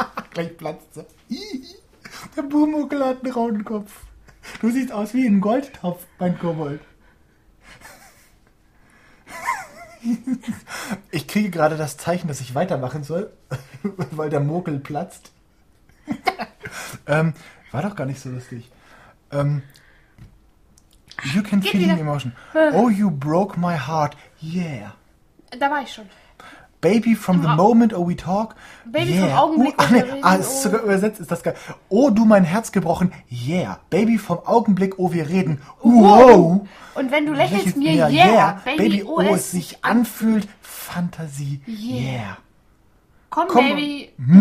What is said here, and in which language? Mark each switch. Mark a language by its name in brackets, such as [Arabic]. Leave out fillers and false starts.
[German] Gleich platzt er. Der Burmuckel hat einen rauen Kopf. Du siehst aus wie ein Goldtopf, mein Kobold. Ich kriege gerade das Zeichen, dass ich weitermachen soll, weil der Muckel platzt. War doch gar nicht so lustig. [English] You can feel the emotion. Oh, you broke my heart. Yeah. [German] Da war ich schon. [English] Baby, from the moment we talk. Baby, yeah. [German] Vom Augenblick, ohne reden. Ah, ist sogar übersetzt, ist das geil. Oh, du mein Herz gebrochen. Yeah. Baby, vom Augenblick, oh, wir reden. Wow. Und wenn du lächelst mir, yeah. Baby, oh, es sich anfühlt. Fantasie, yeah. Komm, Baby.